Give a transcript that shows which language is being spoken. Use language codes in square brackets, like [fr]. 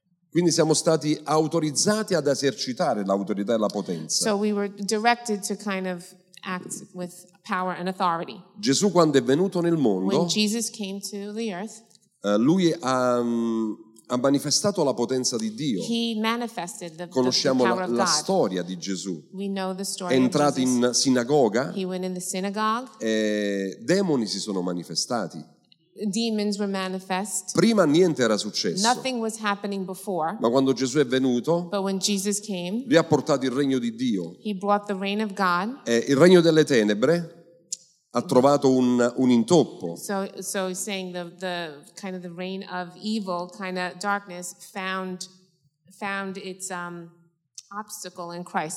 [it] Quindi siamo stati autorizzati ad esercitare l'autorità e la potenza. [en] So we were directed to kind of act with power and authority. [it] Gesù quando è venuto nel mondo. [en] When Jesus came to the earth. [it] Lui ha manifestato la potenza di Dio. [en] He manifested the [it] conosciamo [en] the power of God. [it] La storia di Gesù. [en] We know the story. [it] È entrato [en] of Jesus. [it] In sinagoga. [en] He went in the synagogue. [it] E demoni si sono manifestati. [en] Demons were manifest. [it] Prima niente era successo. [en] Nothing was happening before. [it] Ma quando Gesù è venuto, [en] but when Jesus came, [it] lui ha portato il regno di Dio. [en] He brought the reign of God. [it] E il regno delle tenebre ha trovato un intoppo. [en] So saying the kind of the reign of evil, kind of darkness found its obstacle in Christ.